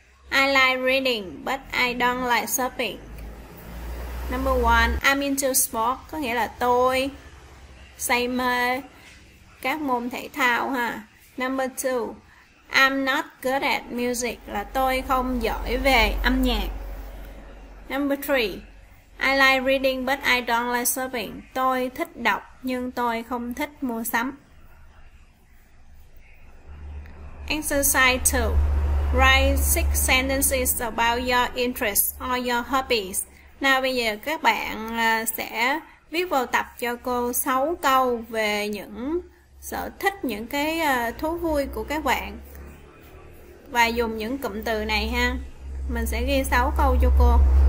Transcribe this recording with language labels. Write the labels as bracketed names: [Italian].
[English] I like reading, but I don't like shopping. Number one, I'm into sport, [Vietnamese] có nghĩa là tôi say mê các môn thể thao ha. [English] Number two, I'm not good at music, [Vietnamese] là tôi không giỏi về âm nhạc. [English] Number three, I like reading, but I don't like shopping. [Vietnamese] Tôi thích đọc, nhưng tôi không thích mua sắm. [English] Exercise two. Write 6 sentences about your interests or your hobbies. [Vietnamese] Nào bây giờ các bạn sẽ viết vào tập cho cô 6 câu về những sở thích, những cái thú vui của các bạn. Và dùng những cụm từ này ha. Mình sẽ ghi 6 câu cho cô.